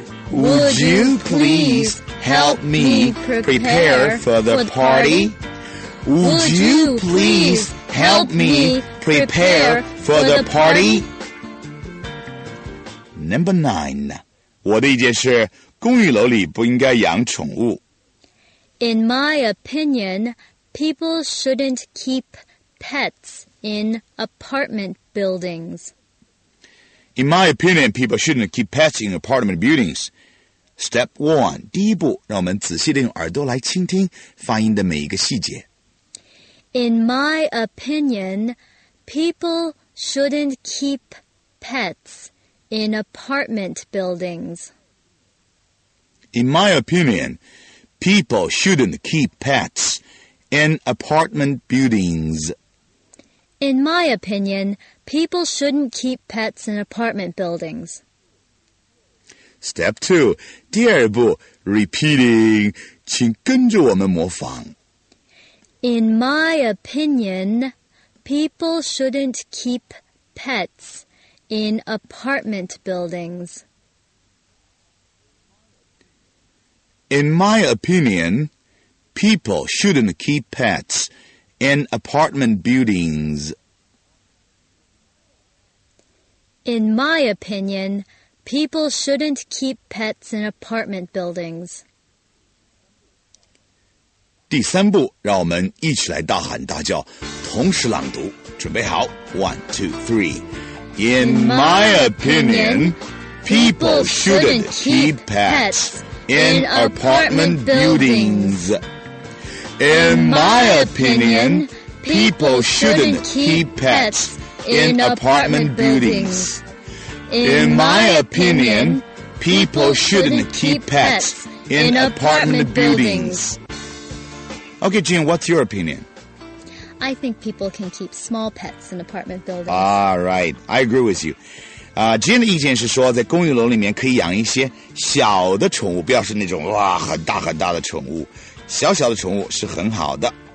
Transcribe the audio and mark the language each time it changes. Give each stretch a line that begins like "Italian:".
English: Would you please help me prepare for the party? Would you please help me prepare for the party? Number 9.
Chinese: 我的意见是公寓楼里不应该养宠物。
English: In my opinion, people shouldn't keep pets in apartment buildings. In my opinion, people shouldn't keep pets in apartment buildings. Step 1,
Chinese: 第一步，让我们仔细地用耳朵来倾听发音的每一个细节。
English: In my opinion, people shouldn't keep pets in apartment buildings. In my opinion, people shouldn't keep pets in apartment buildings. In my opinion, people shouldn't keep pets in apartment buildings. Step 2,
Chinese: 第二步
English: repeating,
Chinese: 请跟着我们模仿。
English: In my opinion, people shouldn't keep pets in apartment buildings. In my opinion, people shouldn't keep pets in apartment buildings. In my opinion, people shouldn't keep pets in apartment buildings.
Chinese: 第三步，让我们一起来大喊大叫，同时朗读。准备好
English: ，one, two, three. In my opinion, people shouldn't keep pets in apartment buildings. In my opinion, people shouldn't keep pets in apartment buildings. In my opinion, people shouldn't keep pets in apartment buildings. Okay, Jean, what's your opinion? I think people can keep small pets in apartment buildings. All right, I agree with you.
Chinese: Jean 的意见是说在公寓楼里面可以养一些小的宠物，不要是那种哇很大很大的宠物，小小的宠物是很好的。